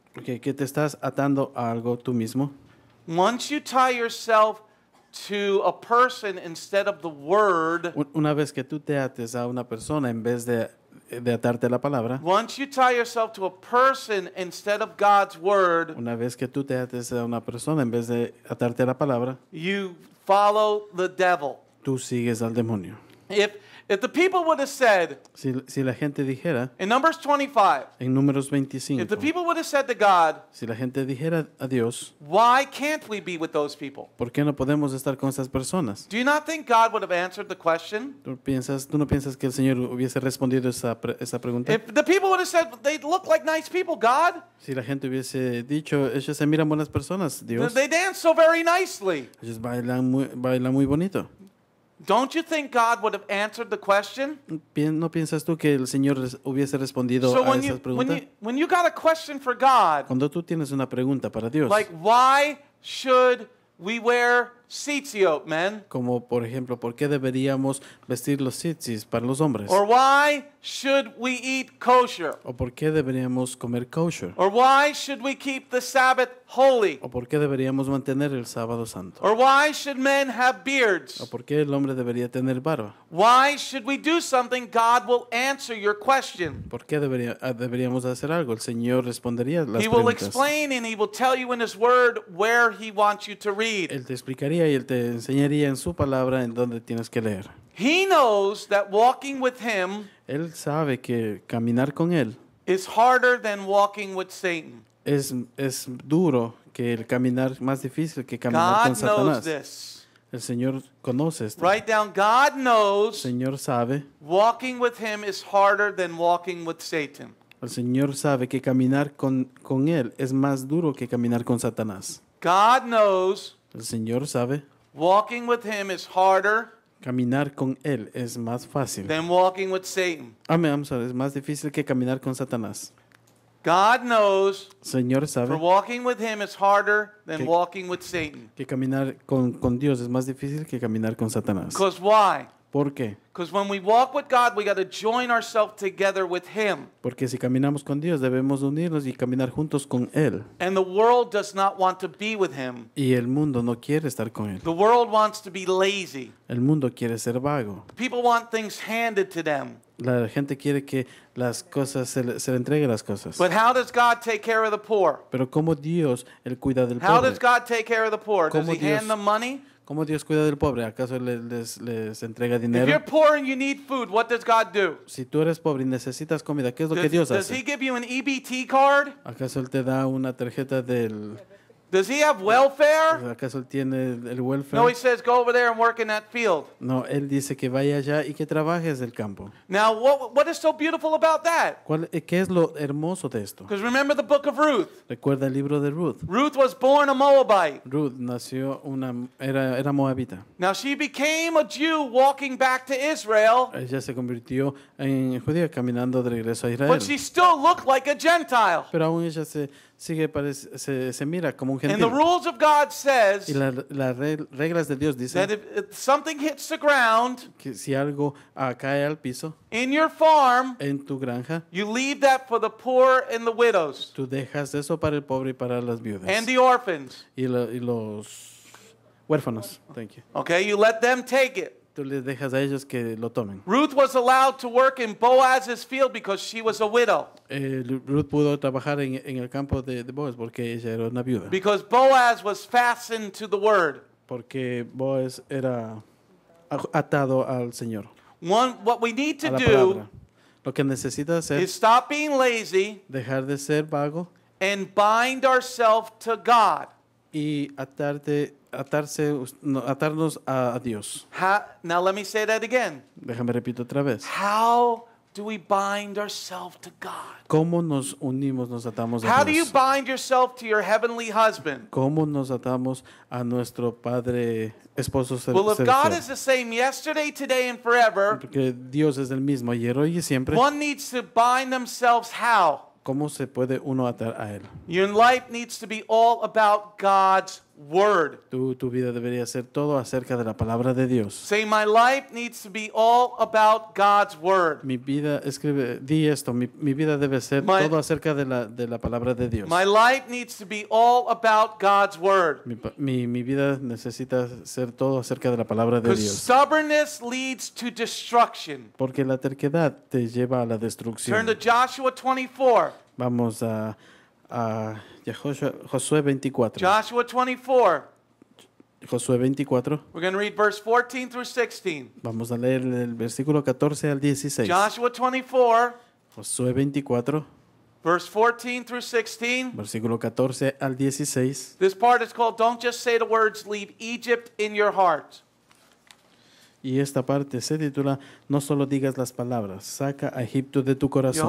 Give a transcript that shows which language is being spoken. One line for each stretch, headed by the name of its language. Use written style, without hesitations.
Spanish: Okay, que te estás atando a algo tú mismo.
English: Once you tie yourself to a person instead of the word,
Spanish: una vez que tú te ates a una persona en vez de atarte a la palabra,
English: once you tie yourself to a person instead of God's word,
Spanish: una vez que tú te ates a una persona en vez de atarte a la palabra,
English: you follow the devil.
Spanish: Tú sigues al demonio.
English: If the people would have said,
Spanish: si la gente dijera,
English: in Numbers 25,
Spanish: en Números 25,
English: if the people would have said to God,
Spanish: si la gente dijera a Dios,
English: why can't we be with those people?
Spanish: ¿Por qué no podemos estar con esas personas?
English: Do you not think God would have answered the question?
Spanish: ¿Tú no piensas que el Señor hubiese respondido esa pregunta?
English: If the people would have said, they look like nice people, God.
Spanish: Si la gente hubiese dicho, ellos se miran buenas personas, Dios.
English: They dance so very nicely.
Spanish: Ellos bailan muy bonito.
English: Don't you think God would have answered the question?
Spanish: ¿No piensas tú que el Señor hubiese respondido
English: so
Spanish: a esas preguntas?
English: When you got a question for God,
Spanish: cuando tú tienes una pregunta para Dios,
English: like, why should we wear tzitzit, men?
Spanish: Como por ejemplo, ¿por qué deberíamos vestir los tzitzit para los hombres?
English: Or why should we eat kosher?
Spanish: ¿O por qué deberíamos comer kosher?
English: Or why should we keep the Sabbath holy?
Spanish: ¿O por qué deberíamos mantener el sábado santo?
English: Or why should men have beards?
Spanish: ¿O por qué el hombre debería tener barba?
English: Why should we do something? God will answer your question.
Spanish: ¿Por qué deberíamos hacer algo? El Señor respondería las
English: he
Spanish: preguntas.
English: He will explain and he will tell you in his word where he wants you to read.
Spanish: Él te explicaría y él te enseñaría en su palabra en dónde tienes que leer.
English: He knows that walking with him
Spanish: él sabe que caminar con él
English: is harder than walking with Satan.
Spanish: Es duro que el caminar más difícil que caminar
English: God
Spanish: con Satanás.
English: God knows this.
Spanish: El Señor conoce esto.
English: Write down, God knows.
Spanish: Señor sabe.
English: Walking with him is harder than walking with Satan.
Spanish: El Señor sabe que caminar con él es más duro que caminar con Satanás.
English: God knows.
Spanish: El Señor sabe.
English: Walking with him is harder.
Spanish: Caminar con él es más fácil.
English: Than walking with Satan.
Spanish: Es más difícil que caminar con Satanás.
English: God knows.
Spanish: Señor sabe.
English: For walking with him is harder than walking with Satan.
Spanish: Que caminar con Dios es más difícil que caminar con Satanás.
English: Because why?
Spanish: ¿Por qué?
English: Because when we walk with God, we got to join ourselves together with him.
Spanish: Porque si caminamos con Dios, debemos unirnos y caminar juntos con él.
English: And the world does not want to be with him.
Spanish: Y el mundo no quiere estar con él.
English: The world wants to be lazy.
Spanish: El mundo quiere ser vago.
English: People want things handed to them.
Spanish: La gente quiere que las cosas se le entregue las cosas.
English: But how does God take care of the poor?
Spanish: Pero cómo Dios él cuida del
English: how
Spanish: pobre?
English: How does God take care of the poor? Does he hand them money?
Spanish: ¿Cómo Dios cuida del pobre? ¿Acaso les entrega dinero?
English: If you're poor and you need food, what does God do?
Spanish: Si tú eres pobre y necesitas comida, ¿qué es lo que Dios hace?
English: Does he give you an EBT card?
Spanish: ¿Acaso él te da una tarjeta del?
English: Does he have welfare?
Spanish: ¿Acaso él tiene el welfare?
English: No, he says go over there and work in that field.
Spanish: No, él dice que vaya allá y que trabajes el campo.
English: Now, what is so beautiful about that?
Spanish: ¿Qué es lo hermoso de esto?
English: Because remember the book of Ruth.
Spanish: Recuerda el libro de Ruth.
English: Ruth was born a Moabite.
Spanish: Ruth nació era moabita.
English: Now she became a Jew walking back to Israel.
Spanish: Ella se convirtió en judía caminando de regreso a Israel.
English: But she still looked like a Gentile.
Spanish: Pero aún ella se mira como un gentil.
English: And the rules of God says
Spanish: y las reglas de Dios dicen
English: that if something hits the ground
Spanish: que si algo cae al piso
English: in your farm
Spanish: en tu granja
English: you leave that for the poor and the widows
Spanish: tú dejas eso para el pobre y para las viudas
English: and the orphans
Spanish: y los huérfanos.
English: Thank you. Okay, you let them take it.
Spanish: Tú les dejas a ellos que lo tomen.
English: Ruth was allowed to work in Boaz's field because she was a widow.
Spanish: Ruth pudo trabajar en el campo de Boaz porque ella era una viuda.
English: Because Boaz was fastened to the word.
Spanish: Porque Boaz era atado al Señor.
English: One, what we need to do
Spanish: lo que necesita hacer
English: is stop being lazy,
Spanish: dejar de ser vago,
English: and bind ourselves to God.
Spanish: Y atarnos a Dios.
English: Now let me say that again.
Spanish: Déjame repito otra vez.
English: How do we bind ourselves to God?
Spanish: ¿Cómo nos unimos, nos atamos a Dios?
English: How do you bind yourself to your heavenly husband?
Spanish: ¿Cómo nos atamos a nuestro padre esposo celestial?
English: Well, if God is the same yesterday, today, and forever,
Spanish: porque Dios es el mismo ayer, hoy y siempre.
English: One needs to bind themselves how?
Spanish: ¿Cómo se puede uno atar a él?
English: Your life needs to be all about God's word.
Spanish: Tu vida debería ser todo acerca de la palabra de Dios.
English: Say my life needs to be all about God's word.
Spanish: Mi vida escribe di esto, mi vida debe ser todo acerca de la palabra de Dios.
English: My life needs to be all about God's word.
Spanish: Mi vida necesita ser todo acerca de la palabra de Dios.
English: Stubbornness leads to destruction.
Spanish: Porque la terquedad te lleva a la destrucción.
English: Turn to Joshua 24.
Spanish: Vamos a Josué 24.
English: Joshua 24.
Spanish: Josué 24.
English: We're going to read verse 14 through 16.
Spanish: Vamos a leer el versículo 14 al 16.
English: Joshua 24.
Spanish: Josué 24.
English: Verse 14 through 16.
Spanish: Versículo 14 al 16.
English: This part is called "Don't just say the words, leave Egypt in your heart."
Spanish: Y esta parte se titula "No solo digas las palabras, saca a Egipto de tu corazón."